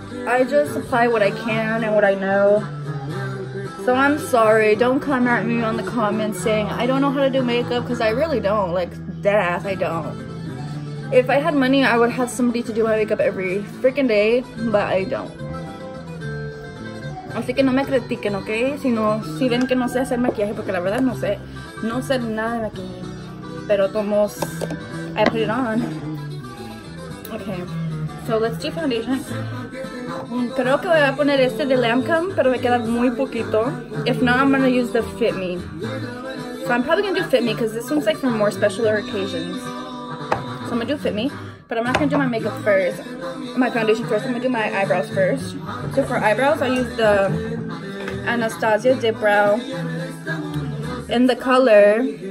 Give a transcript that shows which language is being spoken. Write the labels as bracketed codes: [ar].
[en] I just apply what I can and what I know. So I'm sorry, don't come at me on the comments saying I don't know how to do makeup, because I really don't. Like dead ass, I don't. If I had money, I would have somebody to do my makeup every freaking day, but I don't. [es] Así que no me critiquen, ¿ok? Sino, si ven que no sé hacer maquillaje, porque la verdad no sé. No sé nada de maquillaje. [en] Pero tomos, I put it on. Ok. So, let's do foundation. [es] Creo que voy a poner este de Lancome, pero me queda muy poquito. [en] If not, I'm gonna use the Fit Me. So, I'm probably gonna do Fit Me, because this one's like for more special occasions. So, I'm gonna do Fit Me. But I'm not gonna do my makeup first, my foundation first. I'm gonna do my eyebrows first. So for eyebrows, I use the Anastasia Dip Brow in the color.